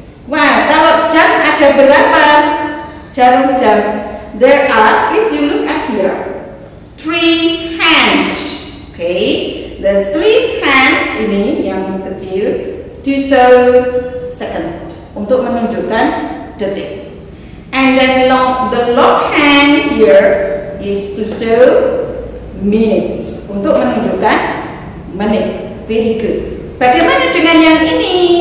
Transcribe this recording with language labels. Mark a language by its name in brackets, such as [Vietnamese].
[Indonesian] Wah, kalau jam ada berapa? Jarum jam. [English] There are, please you look at here. 3 hands. Okay. The 3 hands [Indonesian] ini yang kecil. [English] To show second. [Indonesian] Untuk menunjukkan detik. [English] And then long, the long hand here is to show minutes. [Indonesian] Untuk menunjukkan menit. [English] Very good. [Indonesian] Bagaimana dengan yang ini?